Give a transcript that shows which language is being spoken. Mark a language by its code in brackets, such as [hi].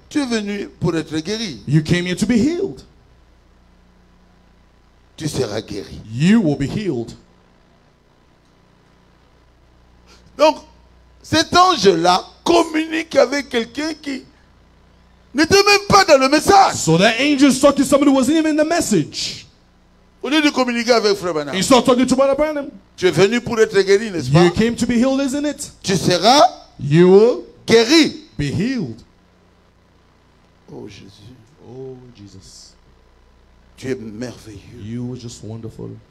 [fr] Tu es venu pour être guéri. [en] You came here to be healed. [fr] Tu seras guéri. [en] You will be healed. [fr] Donc, cet ange-là communique avec quelqu'un qui n'était même pas dans le message. [en] So that angel talked to somebody who wasn't even in the message. [fr] Au lieu de communiquer avec Frère Branham. [en] He started talking to Brother Branham. [fr] Tu es venu pour être guéri, n'est-ce pas? [en] You came to be healed, isn't it? [fr] Tu seras. [en] You will. [fr] Guéri. [en] Be healed. [fr] Oh Jésus. [en] Oh Jesus. [fr] Tu es merveilleux. [en] You were just wonderful.